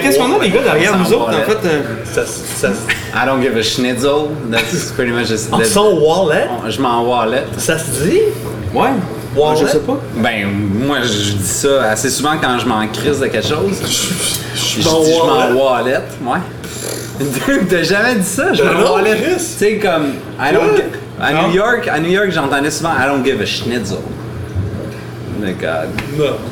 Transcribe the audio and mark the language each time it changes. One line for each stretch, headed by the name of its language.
French: Qu'est-ce qu'on a les gars derrière nous autres en fait?
English: I don't give a schnitzel. That's pretty much just.
French: On s'en wallet. Je m'en wallet. Ça se dit? Ouais.
English: Wallet?
French: Je sais pas. Ben, moi, je dis ça assez souvent quand je m'en crise de quelque chose. Je m'en wallet, ouais. T'as jamais dit ça, je m'en wallet. Tu sais, comme, I don't à New York, j'entendais souvent, I don't give a schnitzel. My God.